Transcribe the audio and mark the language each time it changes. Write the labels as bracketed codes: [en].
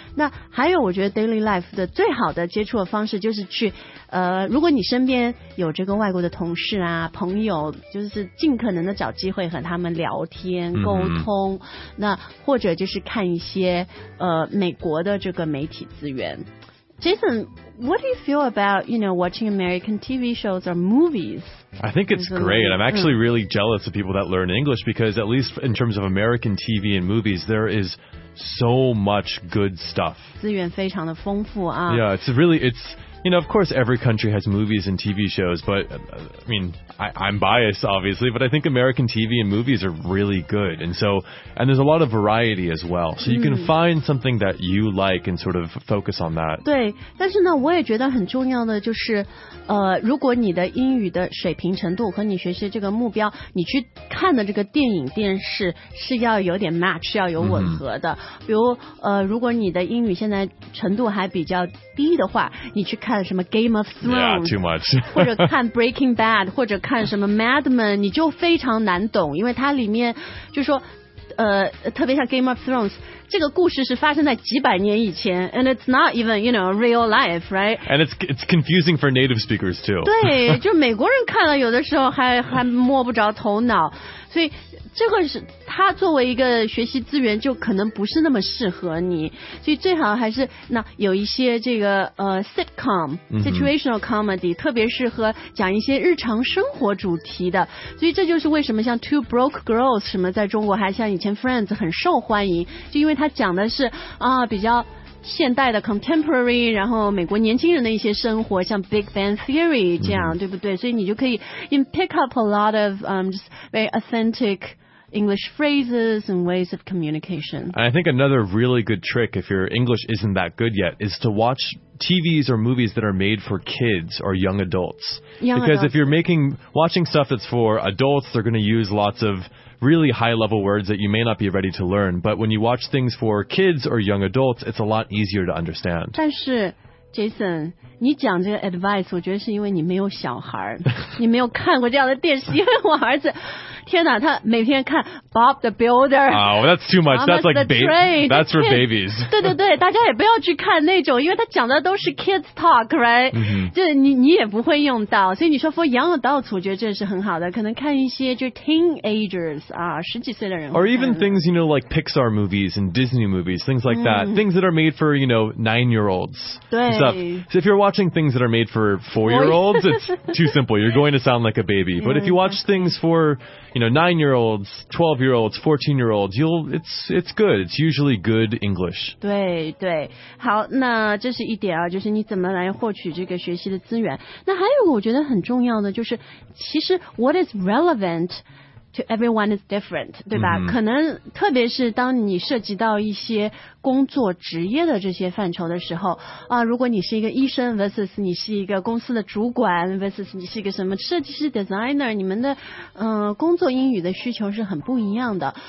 [zh] 那还有我觉得 daily life 的最好的接触的方式就是去如果你身边有这个外国的同事啊朋友，就是尽可能的找机会和他们聊天沟通、嗯、那或者就是看一些美国的这个媒体资源。 [en] Jason, what do you feel about, you know, watching American TV shows or movies? I think it's great. I'm actually really jealous of people that learn English because at least in terms of American TV and movies, there is so much good stuff. [zh] 资源非常的丰富啊。 [en] Yeah, it's really, you know, of course every country has movies and TV shows, but, I mean, I'm biased, obviously, but I think American TV and movies are really good. And so, and there's a lot of variety as well. So you can find something that you like and sort of focus on that. [zh] 对，但是呢，我也觉得很重要的就是，如果你的英语的水平程度和你学习这个目标，你去看的这个电影电视是要有点 match， 要有吻合的。比如，如果你的英语现在程度还比较低的话，你去看什么 Game of Thrones， [en] yeah, too much. [zh] 或者看 Breaking Bad， 或者看什么 Mad Men， 你就非常难懂，因为它里面就是说特别像 Game of Thrones， 这个故事是发生在几百年以前， [en] and it's not even, you know, real life, right? And it's confusing for native speakers too. [zh] 对，就美国人看了有的时候还摸不着头脑，所以这个是它作为一个学习资源就可能不是那么适合你，所以最好还是那有一些这个sitcom situational comedy、嗯、特别适合讲一些日常生活主题的，所以这就是为什么像 Two Broke Girls 什么在中国还像以前 Friends 很受欢迎，就因为它讲的是比较现代的 contemporary， 然后美国年轻人的一些生活，像 Big Bang Theory 这样、嗯、对不对？所以你就可以 [en] you pick up a lot of just very authentic English phrases and ways of communication. And I think another really good trick if your English isn't that good yet is to watch TVs or movies that are made for kids or young adults. Because if you're watching stuff that's for adults, they're going to use lots of really high level words that you may not be ready to learn. But when you watch things for kids or young adults, it's a lot easier to understand. [zh] 但是Jason, 你讲这个 advice, 我觉得是因为你没有小孩你没有看过这样的电视，因为我儿子天哪，他每天看 Bob the Builder. [en] Oh, that's too much. That's like baby. That's for babies. [zh] 对对对，大家也不要去看那种，因为他讲的都是 [en] kids talk, right?、 Mm-hmm. [zh] 就是你也不会用到，所以你说 [en] for young adults, [zh] 我觉得这是很好的，可能看一些就 teenagers 啊，十几岁的人。 [en] Or even things, you know, like Pixar movies and Disney movies, things like that.、Mm. Things that are made for, you know, 9-year-olds. [zh] 对。 [en] So if you're watching things that are made for 4-year-olds, it's too simple. You're going to sound like a baby. But if you watch things for, you know, 9-year-olds, 12-year-olds, 14-year-olds, it's good. It's usually good English. [zh] 对对。好，那这是一点啊，就是你怎么来获取这个学习的资源。那还有我觉得很重要的就是，其实 [en] what is relevant to everyone is different, [zh] 对吧、 mm-hmm. 可能特别是当你涉及到一些工作职业的这些范畴的时候、如果你是一个医生 versus 你是一个公司的主管 versus 你是一个什么设计师 designer, 你们的、工作英语的需求是很不一样的。